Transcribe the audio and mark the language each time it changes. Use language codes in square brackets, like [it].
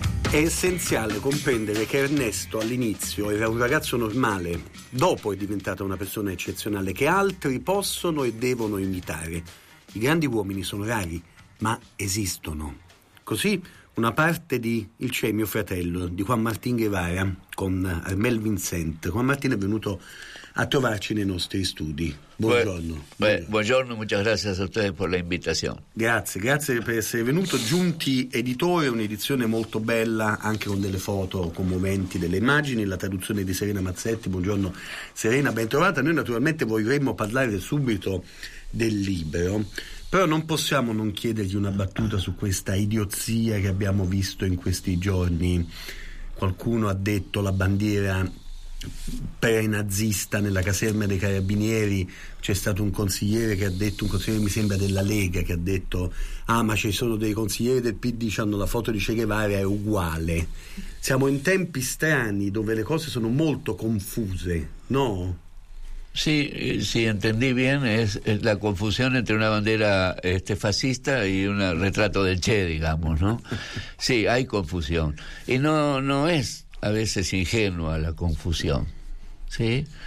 [it] È essenziale comprendere che Ernesto all'inizio era un ragazzo normale, dopo è diventato una persona eccezionale che altri possono e devono imitare. I grandi uomini sono rari, ma esistono. Così una parte di Il c'è mio fratello, di Juan Martín Guevara, con Armel Vincent. Juan Martín è venuto a trovarci nei nostri studi. Buongiorno. Buongiorno, [es] muchas gracias a te por la invitación. [it] Grazie per essere venuto. Giunti Editore, un'edizione molto bella, anche con delle foto commoventi, delle immagini, la traduzione di Serena Mazzetti. Buongiorno Serena, ben trovata. Noi naturalmente vorremmo parlare subito del libro, però non possiamo non chiedergli una battuta su questa idiozia che abbiamo visto in questi giorni. Qualcuno ha detto la bandiera pre-nazista nella caserma dei carabinieri, c'è stato un consigliere che ha detto, un consigliere mi sembra della Lega, che ha detto: ah, ma ci sono dei consiglieri del PD, hanno la foto di Che Guevara, è uguale. Siamo in tempi strani dove le cose sono molto confuse, no? [es] Sí, si entendí bien, es la confusión entre una bandera fascista y un retrato del Che, digamos, ¿no? Sí, hay confusión. Y no es a veces ingenua la confusión, ¿sí?